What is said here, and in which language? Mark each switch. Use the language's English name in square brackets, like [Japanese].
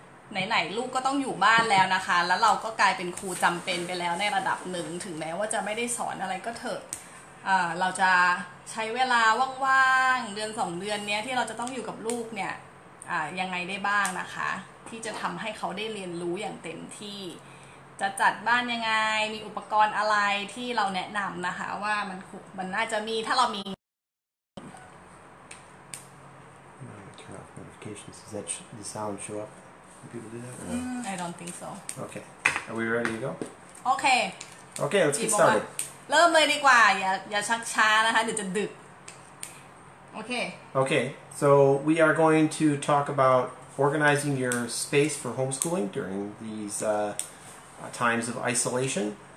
[Thai] ไหนๆลูกก็ต้องอยู่บ้านแล้วนะคะแล้วเราก็กลายเป็นครูจำเป็นไปแล้วในระดับหนึ่งถึงแม้ว่าจะไม่ได้สอนอะไรก็เถอะเราจะใช้เวลาว่างๆเดือน2 เดือนเนี้ยที่เราจะต้องอยู่กับลูกเนี่ยยังไงได้บ้างนะคะที่จะทำให้เขาได้เรียนรู้อย่างเต็มที่จะจัดบ้านยังไงมีอุปกรณ์อะไรที่เราแนะนำนะคะว่ามันน่าจะมีถ้าเรามี [English] Turn off notifications. Does that the sound show up? Do people do that? I don't think so. Okay. Are we ready to go? Okay. Okay. Let's get started. [Thai] เริ่มเลยดีกว่าอย่าชักช้านะคะเดี๋ยวจะดึก Okay. [English] Okay. So we are going to talk about organizing your space for homeschooling during these times of isolation.